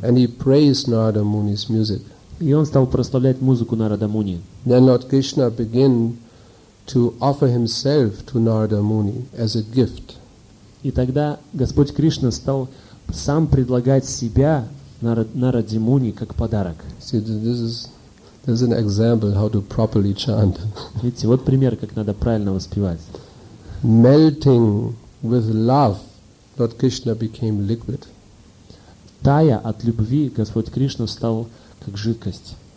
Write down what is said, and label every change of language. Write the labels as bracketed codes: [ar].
[en] And he praised Narada Muni's music. [ru] И он стал прославлять музыку Нарада Муни. [en] Then Lord Krishna began to offer himself to Narada Muni as a gift. [ru] И тогда Господь Кришна стал сам предлагать себя Нараде Муни как подарок. [en] See, this is an example how to properly chant. [ru] Видите, вот пример, как надо правильно воспевать. [en] Melting with love, Lord Krishna became liquid. [ru] Тая от любви, Господь Кришна стал как жидкость.